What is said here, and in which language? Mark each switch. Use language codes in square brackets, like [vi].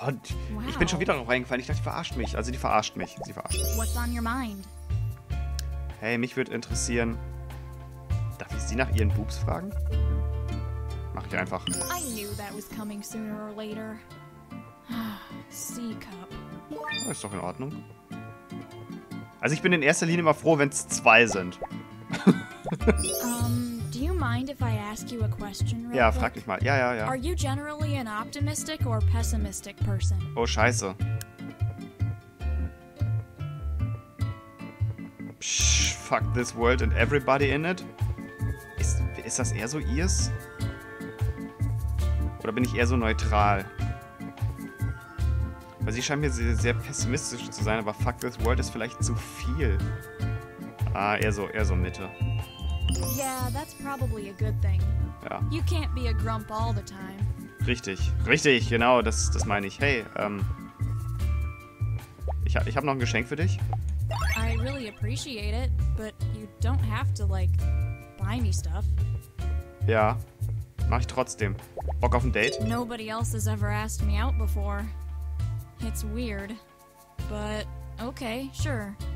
[de] Und ich bin schon wieder noch reingefallen. Ich dachte, die verarscht mich. Also, die verarscht mich. Sie verarscht mich. [en] What's on your mind? [de] Hey, mich würde interessieren. Darf ich sie nach ihren Boobs fragen? Mach ich einfach. [en] I knew that was coming sooner or later. C-Cup. [de] Oh, ist doch in Ordnung. Also, ich bin in erster Linie immer froh, wenn es zwei sind. [en] Do you mind if I ask you a question, [de] Ray? Ja, frag dich mal. Ja. [en] Are you generally an optimistic or pessimistic person? [de] Oh, scheiße. [en] Psh, fuck this world and everybody in it. [de] Ist das eher so ihrs? Oder bin ich eher so neutral? Weil sie scheint mir sehr, sehr pessimistisch zu sein, aber [en] fuck this world [de] ist vielleicht zu viel. Ah, eher so Mitte. [en] Yeah, that's probably a good thing. [de] Ja. [en] You can't be a grump all the time. [de] Richtig, genau, das meine ich. Hey, ich habe noch ein Geschenk für dich. [en] I really appreciate it, but you don't have to, like, buy me stuff. [de] Ja, mach ich trotzdem. Bock auf ein Date? [en] Nobody else has ever asked me out before. It's weird, but okay, sure.